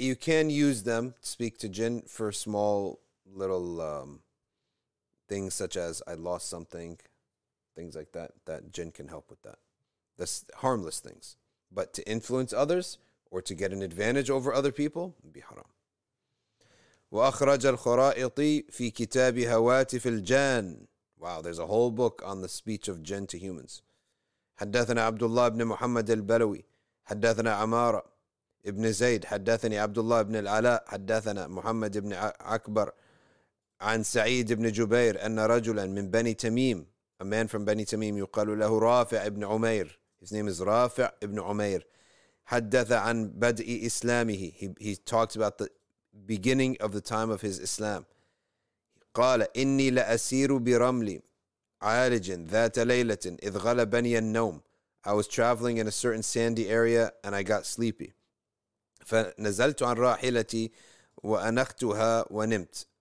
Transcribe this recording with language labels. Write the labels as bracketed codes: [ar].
[en] You can use them to speak to jinn for small little things such as, I lost something, things like that, that jinn can help with that. That's harmless things. But to influence others or to get an advantage over other people, be haram. [ar] وأخرج الخرائطي في كتاب هواتف الجان. [en] Wow, there's a whole book on the speech of jinn to humans. [ar] حدثنا عبد الله بن محمد البلوي. حدثنا عمارة بن زيد. حدثني عبد الله بن العلاء. حدثنا محمد بن عكبر عن سعيد بن جبير أن رجلا من بني تميم. [en] A man from Bani Tamim, [ar] يقال له [en] رافع ابن عمير. His name is رافع ابن عمير. [ar] حدث عن بدء إسلامه. [en] He talked about the beginning of the time of his Islam. [ar] قال إني لأسير برملي عالج ذات ليلة إذ غلبني النوم. [en] I was traveling in a certain sandy area and I got sleepy. [ar] فنزلت عن راحلتي وأنختها ونمت.